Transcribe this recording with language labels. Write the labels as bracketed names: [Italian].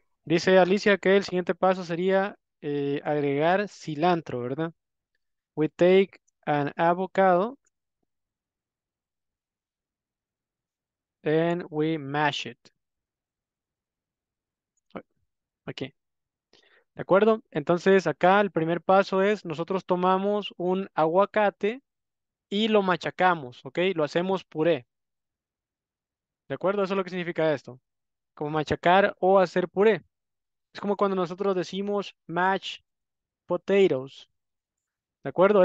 [Spanish] Dice Alicia que el siguiente paso sería agregar cilantro, ¿verdad? [English] We take an avocado and we mash it. [Spanish] Aquí. Okay. ¿De acuerdo? Entonces acá el primer paso es nosotros tomamos un aguacate y lo machacamos, ¿ok? Lo hacemos puré. ¿De acuerdo? Eso es lo que significa esto. Como machacar o hacer puré. Es como cuando nosotros decimos [English] mash potatoes. [Spanish] ¿De acuerdo?